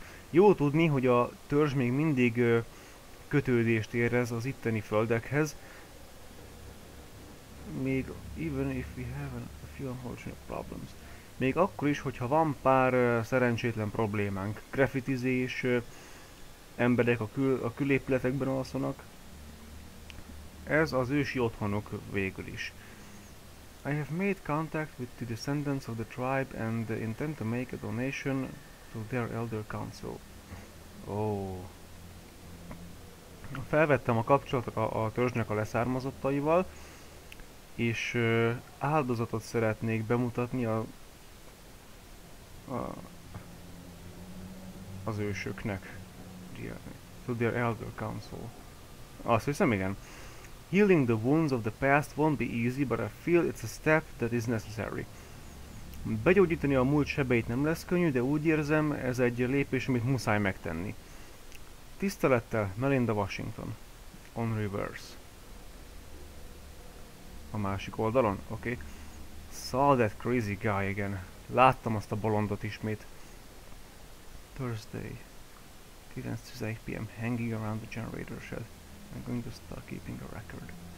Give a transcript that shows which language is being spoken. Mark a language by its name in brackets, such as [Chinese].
[Hungarian] Jó tudni, hogy a törzs még mindig kötődést érez az itteni földekhez. Még [English] even if we have a few unfortunate problems. [Hungarian] Még akkor is, hogyha van pár szerencsétlen problémánk. Graffitizés, emberek a külépületekben alszanak. Ez az ősi otthonok végül is. [English] I have made contact with the descendants of the tribe and intend to make a donation to their elder council. Oh. [Hungarian] Felvettem a kapcsolatot a törzsnek a leszármazottaival, és áldozatot szeretnék bemutatni az ősöknek. [English] To their elder council. [Hungarian] Azt hiszem, igen. [English] Healing the wounds of the past won't be easy, but I feel it's a step that is necessary. [Hungarian] Begyógyítani a múlt sebeit nem lesz könnyű, de úgy érzem, ez egy lépés, amit muszáj megtenni. Tisztelettel, Melinda Washington. [English] On reverse. [Hungarian] A másik oldalon? Oké. [English] Saw that crazy guy again. [Hungarian] Láttam azt a bolondot ismét. [English] Thursday. 9-11 p.m. hanging around the generator shed. I'm going to start keeping a record.